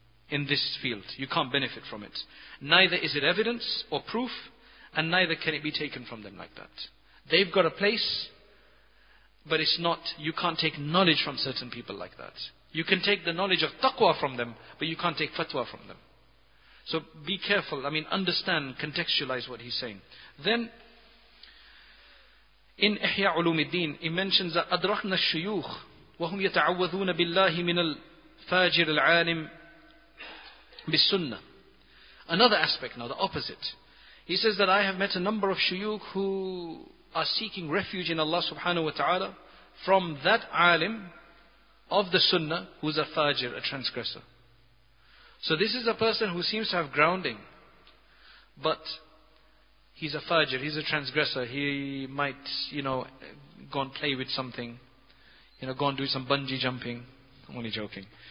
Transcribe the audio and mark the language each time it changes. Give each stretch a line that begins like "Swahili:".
English: In this field, you can't benefit from it. Neither is it evidence or proof, and neither can it be taken from them like that. They've got a place, but it's not, you can't take knowledge from certain people like that. You can take the knowledge of taqwa from them, but you can't take fatwa from them. So be careful, I mean, understand, contextualize what he's saying. Then, in Ihya Ulumuddin, he mentions that
Arabic: أَدْرَحْنَا الشُّيُوخُ وَهُمْ يَتَعَوَّذُونَ بِاللَّهِ مِنَ الْفَاجِرِ الْعَالِمِ بِالسُّنَّةِ.
English: Another aspect now, the opposite. He says that I have met a number of shuyukh who are seeking refuge in Allah subhanahu wa ta'ala from that alim of the sunnah who's a fajir, a transgressor. So this is a person who seems to have grounding, but he's a fajr, he's a transgressor, he might, you know, go and play with something, you know, go and do some bungee jumping. I'm only joking.